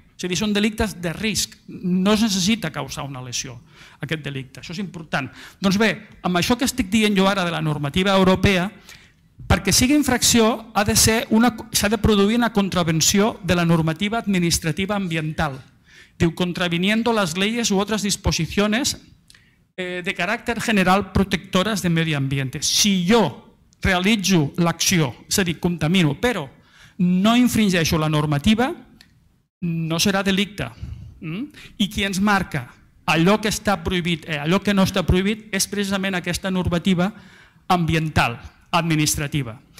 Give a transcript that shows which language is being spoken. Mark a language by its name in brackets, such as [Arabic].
[Catalan] És a dir, són delictes de risc, no es necessita causar una lesió aquest delicte, això és important. Doncs bé, amb això que estic dient jo ara de la normativa europea, perquè sigui infracció s'ha de produir una contravenció de la normativa administrativa ambiental. [Spanish] Diu, contraviniendo las leyes u otras disposiciones de carácter general protectoras de medio ambiente. [Catalan] Si jo realitzo l'acció, és a dir, contamino, però no infringeixo la normativa, no serà delicte. I qui ens marca allò que està prohibit, allò que no està prohibit, és precisament aquesta normativa ambiental, administrativa.